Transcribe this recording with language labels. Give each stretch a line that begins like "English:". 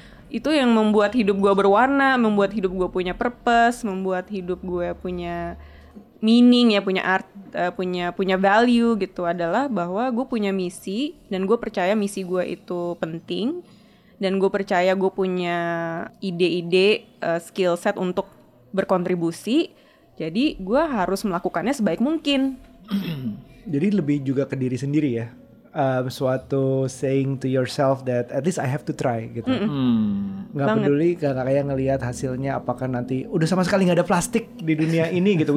Indonesian: Itu yang membuat hidup gue berwarna, membuat hidup gue punya purpose, membuat hidup gue punya meaning ya, punya art, punya value gitu, adalah bahwa gue punya misi dan gue percaya misi gue itu penting. Dan gue percaya gue punya ide-ide, skill set untuk berkontribusi. Jadi gue harus melakukannya sebaik mungkin. Jadi lebih juga ke diri sendiri ya. Suatu
English: saying to yourself that at least I have to try
Indonesian: gitu. Gak banget. Peduli gak kayak ngelihat hasilnya apakah nanti udah sama sekali gak ada plastik di dunia ini gitu.